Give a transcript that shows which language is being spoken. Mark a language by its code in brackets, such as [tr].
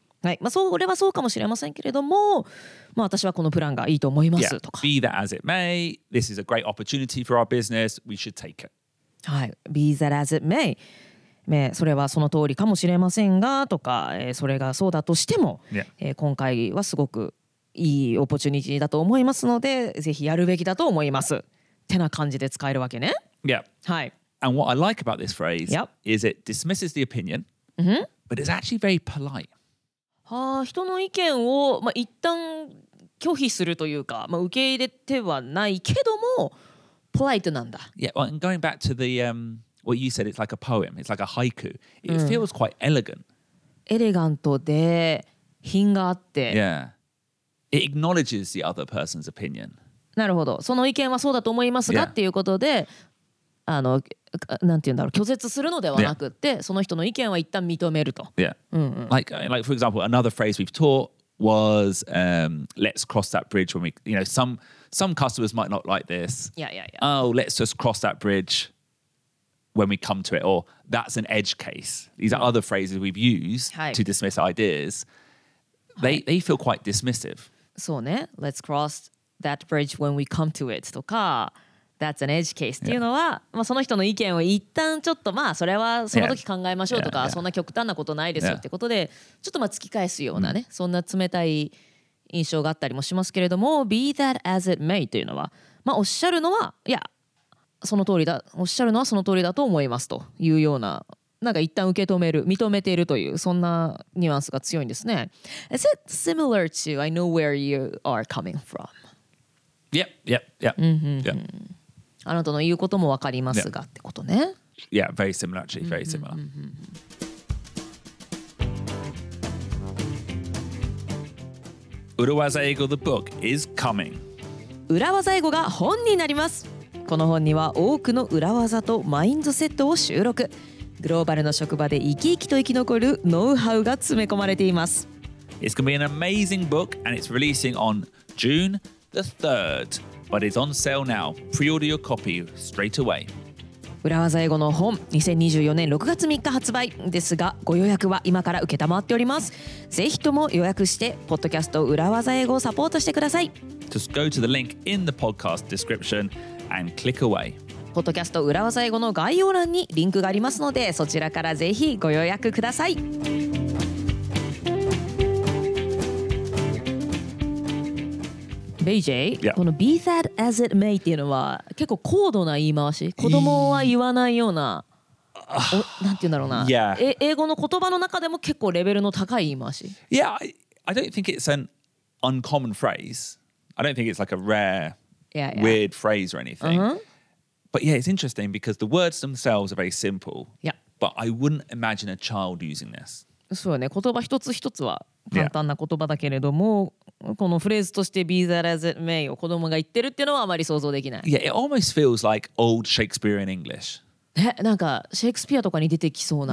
[ja] はい。まあ、それはそうかもしれませんけれども、まあ、私はこのプランがいいと思いますとか。 [en] Yeah. Be that as it may, this is a great opportunity for our business, we should take it. [ja] はい。 [en] be that as it may、 [ja] ね、それはその通りかもしれませんがとか、それがそうだとしても、 [en] yeah. [ja] 今回はすごくいいオプチュニティだと思いますので、ぜひやるべきだと思います。ってな感じで使えるわけね。 [en] Yeah. [ja] はい。 [en] And what I like about this phrase、 yep. is it dismisses the opinion,、 mm-hmm. but it's actually very polite. [ja] あ、人の意見を、まあ、一旦拒否するというか、まあ、受け入れてはないけども、ポライトなんだ。 [en] Yeah, well, and going back to the, what you said, it's like a poem, it's like a haiku. It、うん、feels quite elegant. [ja] エレガントで品があって。 [en] Yeah. It acknowledges the other person's opinion. [ja] なるほど。その意見はそうだと思いますが、yeah. っていうことで、あの、なんて言うんだろう、拒絶するのではなくって、yeah. その人の意見は一旦認めると。 [en] Yeah. [ja] うんうん、 [en] like, for example, another phrase we've taught was、let's cross that bridge when we, you know, some customers might not like this. Yeah, yeah, yeah. Oh, let's just cross that bridge when we come to it. Or that's an edge case. These are other phrases we've used、 [ja] はい、 [en] to dismiss ideas. They feel quite dismissive. [ja] そうね。 [en] Let's cross that bridge when we come to it. [ja] とか、 [en] That's an edge case、 [ja] yeah. っていうのは、まあ、その人の意見を一旦ちょっとまあそれはその時考えましょうとか、yeah. そんな極端なことないですよってことで、yeah. ちょっとまあ突き返すようなね、mm. そんな冷たい印象があったりもしますけれども、 [en] be that as it may [ja] というのは、まあおっしゃるのはいやその通りだ、おっしゃるのはその通りだと思いますというようななんか一旦受け止める、認めているというそんなニュアンスが強いんですね。 [en] Is it similar to I know where you are coming from? Yep, yep, yep. [ja] Yep. あなたの言うこともわかりますが、yeah. ってことね。 [en] Yeah, very similar actually, very similar. うらわざ英語 the book is coming. [ja] うらわざ英語が本になります。この本には多くの裏技とマインドセットを収録。グローバルの職場で生き生きと生き残るノウハウが詰め込まれています。 [en] It's going to be an amazing book and it's releasing on June the 3rd. But it's on sale now. Pre-order your copy straight away. [ja] 裏技英語の本、2024年6月3日発売ですが、ご予約は今から受けたまわっております。ぜひとも予約して、ポッドキャスト裏技英語をサポートしてください。 [en] Just go to the link in the podcast description and click away. [ja] ポッドキャスト裏技英語の概要欄にリンクがありますので、そちらからぜひご予約ください。 BJ、 [en] yeah. [ja] この be that as it may っていうのは結構高度な言い回し、子供は言わないような、なんて言うんだろうな、 [en] yeah. [ja] 英語の言葉の中でも結構レベルの高い言い回し。 [en] Yeah, I don't think it's an uncommon phrase. I don't think it's like a rare, yeah, yeah. weird phrase or anything.、 Uh-huh. But yeah, it's interesting because the words themselves are very simple. Yeah. But I wouldn't imagine a child using this. [ja] そうね、言葉一つ一つは簡単な言葉だけれども、 [en] yeah. [ja] このフレーズとして [en] Be that as it may [ja] を子供が言ってるっていうのはあまり想像できない。 [en] Yeah, it almost feels like old Shakespearean English. [ja] え、なんかシェイクスピアとかに出てきそうな。